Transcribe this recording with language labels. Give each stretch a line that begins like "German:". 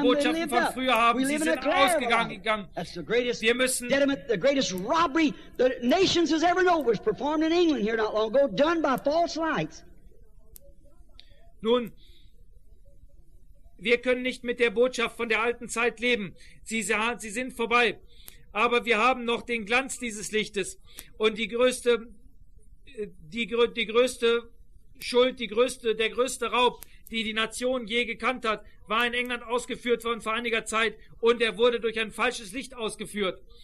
German: die Botschaften von früher haben, sie sind ausgegangen. Wir müssen
English: the greatest robbery the nations has ever known was performed in England here not long ago, done by false lights.
German: Nun, wir können nicht mit der Botschaft von der alten Zeit leben. Sie sind vorbei. Aber wir haben noch den Glanz dieses Lichtes und der größte Raub, die Nation je gekannt hat, war in England ausgeführt worden vor einiger Zeit und er wurde durch ein falsches Licht ausgeführt.